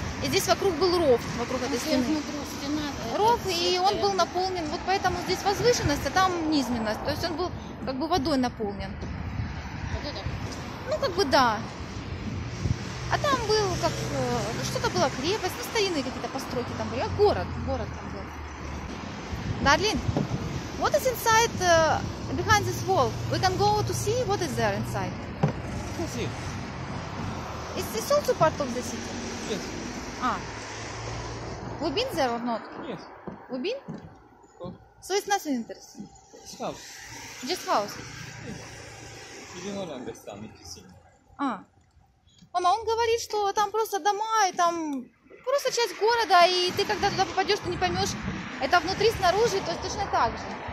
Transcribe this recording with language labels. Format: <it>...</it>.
<ru>И здесь вокруг был ров, вокруг этой стены. Ров, и он был наполнен. Вот поэтому здесь возвышенность, а там низменность. То есть он был как бы водой наполнен. Ну, как бы да. А там был как что-то было, крепость, старинные какие-то постройки там были. А город, город там был.</ru> <en>Darling, what is inside behind this wall? We can go to see what is there inside. See. Is this also part of the city? Yes. We've been there or not? Yes. We've been? Oh. So it's nothing interesting? It's house. Just house? Yes. You don't understand if you see. А.</en> <ru>Мама, он говорит, что там просто дома, и там просто часть города, и ты когда туда попадешь, ты не поймешь, это внутри, снаружи, то есть точно так же.</ru>